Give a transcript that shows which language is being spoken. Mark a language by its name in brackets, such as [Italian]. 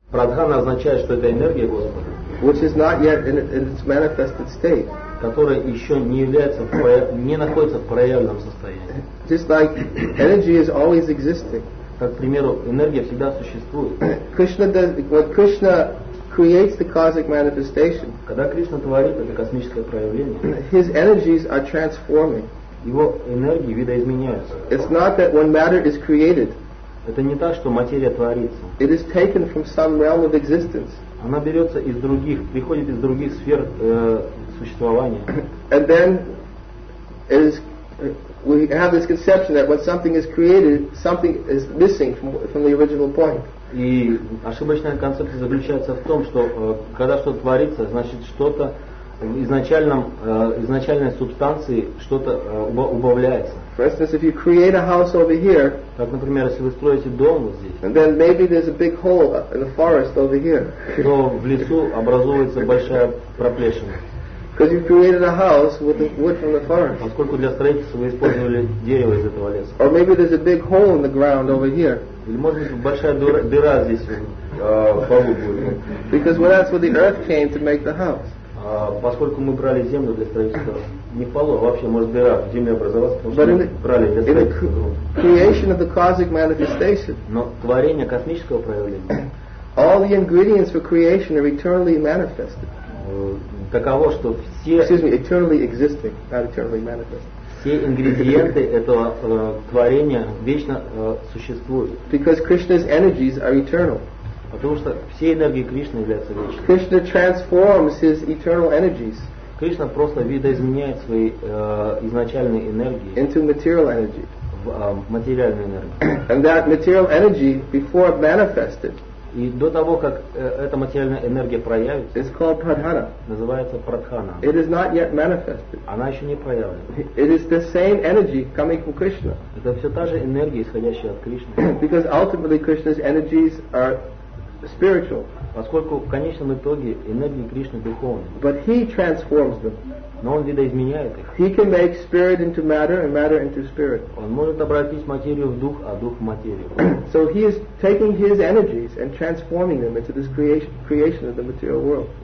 [Russian] Прадхана означает, что это энергия Господа, [English] which is not yet in its manifested state, [Russian] которая еще не является не находится в проявленном состоянии. [English] Just like energy is always existing. [Russian] Как, к примеру, энергия всегда существует. [English] Krishna does, when Krishna creates the cosmic manifestation, [Russian] когда Кришна творит это космическое проявление, [English] his energies are transforming. [Russian] Его энергии видоизменяются. [English] It's not that when matter is created. [Russian] Это не так, что материя творится. [English] It is taken from some realm of existence. [Russian] Она берется из других, приходит из других сфер существования. [English] And then it is, we have this conception that when something is created, something is missing from the original point. [Russian] И ошибочная концепция заключается в том, что когда что-то творится, значит что-то в изначальном, изначальной субстанции что-то убавляется. [English] For instance, if you create a house over here, [Russian] так, например, если вы строите дом вот здесь, [English] and then maybe there's a big hole in the forest over here, [Russian] то в лесу образуется большая проплешина. [English] Because you created a house with the wood from the forest. [Russian] Поскольку для строительства вы использовали дерево из этого леса. [English] Or maybe there's a big hole in the ground over here. [Russian] Или может быть большая дыра здесь полу будет. [English] Because well, that's where the earth came to make the house. [Russian] Поскольку мы брали землю для строительства, не полу, а вообще может дыра в земле образовалась, потому что мы брали для строительства. [English] Creation of the cosmic manifestation. [Russian] Но творение космического проявления. [English] All the ingredients for creation are eternally manifested. [Russian] Таково, что все, [English] excuse me, eternally existing, not eternally manifested. [Russian] Все ингредиенты этого творения вечно существуют. [English] Because Krishna's energies are eternal. [Russian] Потому что все энергии Кришны являются вечными. [English] Krishna transforms his eternal energies. [Russian] Кришна просто видоизменяет свои изначальные энергии. [English] Into material energy. [Russian] В материальную энергию. [English] And that material energy before it manifested. [Russian] И до того, как эта материальная энергия проявится, [English] it's called Pradhana. [Russian] Называется Прадхана. [English] It is not yet manifested. [Russian] Она еще не проявлена. [English] It is the same energy coming from Krishna. [Russian] Это все та же энергия, исходящая от Кришны. [English] Because ultimately Krishna's energies are spiritual. [Russian] Поскольку в конечном итоге энергии Кришны духовны. [English] But he transforms them. [Russian] Но он видоизменяет их. [English] He can make spirit into matter and matter into spirit. [Russian] Он может обратить материю в дух, а дух в материю. [English] So he is taking his energies and transforming them into this creation of the material world.